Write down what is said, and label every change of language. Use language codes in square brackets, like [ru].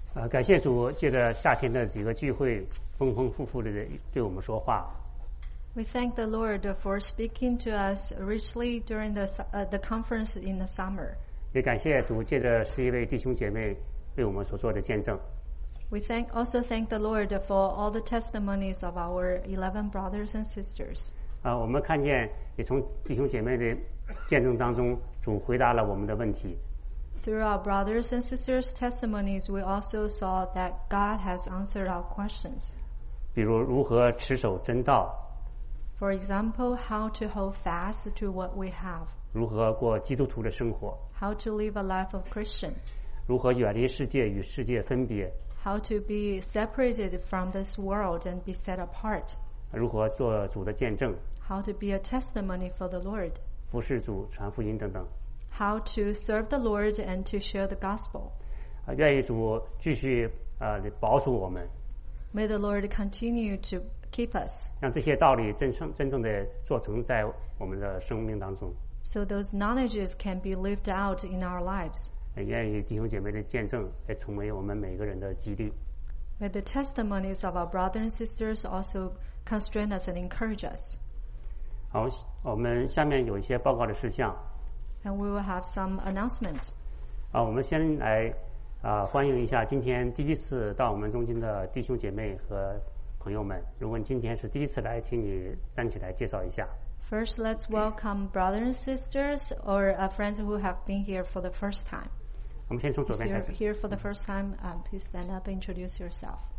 [zh] 感谢主，借着夏天的几个聚会，丰丰富富的对我们说话。 [en] We thank the Lord for speaking to us richly during the conference in the summer. [zh] 也感谢主借着十一位弟兄姐妹为我们所做的见证。 [en] We also thank the Lord for all the testimonies of our 11 brothers and sisters. [zh] 我们看见也从弟兄姐妹的见证当中，主回答了我们的问题。 [en] Through our brothers and sisters' testimonies, we also saw that God has answered our questions. [zh] 比如如何持守真道。 [en] For example, how to hold fast to what we have. [zh] 如何过基督徒的生活。 [en] How to live a life of Christian. [zh] 如何远离世界与世界分别。 [en] how to be separated from this world and be set apart. [zh] 如何做主的见证？ [en] How to be a testimony for the Lord. [zh] 服侍主，传福音等等。 [en] How to serve the Lord and to share the gospel. [zh] 愿意主继续保守我们。 [en] May the Lord continue to keep us. [zh] 让这些道理真正的做成在我们的生命当中。 [en] So those knowledges can be lived out in our lives. [zh] 愿意弟兄姐妹的见证也成为我们每个人的激励。 [en] May the testimonies of our brothers and sisters also constrain us and encourage us. [zh] 好，我们下面有一些报告的事项。 [en] And we will have some announcements. [zh] 我们先来欢迎一下今天第一次到我们中间的弟兄姐妹和朋友们。如果你今天是第一次来，请你站起来介绍一下。 [en] First, let's welcome brothers and sisters or friends who have been here for the first time. [zh] 我们先从左边开始。 [en] If you're here for the first time, please stand up and introduce yourself.